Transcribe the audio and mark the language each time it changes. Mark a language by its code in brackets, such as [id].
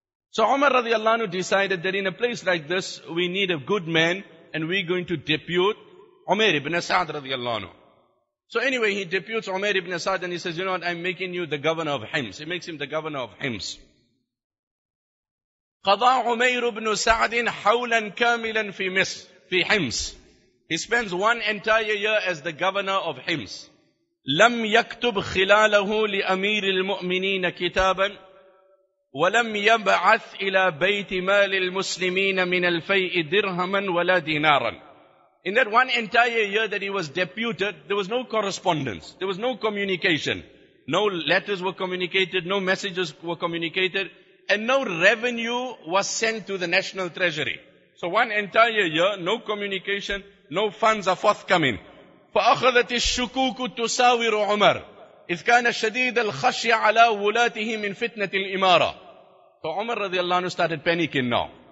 [en] So Umar radiallahu anhu decided that in a place like this, we need a good man, and we're going to depute Umair ibn As-Sa'd radiallahu anhu. So anyway, he deputes Umair ibn As-Sa'd, and he says, you know what, I'm making you the governor of Hims. He makes him the governor of Hims. [ar] قضى عمير بن سعد حولا كاملا في مصر في حمص. [en] He spends one entire year as the governor of Hims. [ar] لم يكتب خلاله لأمير المؤمنين كتابا ولم يبعث إلى بيت مال المسلمين من الفيء درهما ولا دينارا. [en] In that one entire year that he was deputed, there was no correspondence, there was no communication, no letters were communicated, no messages were communicated, and no revenue was sent to the national treasury. So one entire year, no communication, no funds are forthcoming. [ar] فَأَخَذَتِ الشُّكُوكُ تُسَاوِرُ عُمَرُ. إذ كان شديد الخشية على ولاته من فتنة الإمارة. فعمر رضي الله عنه [en] started panicking now.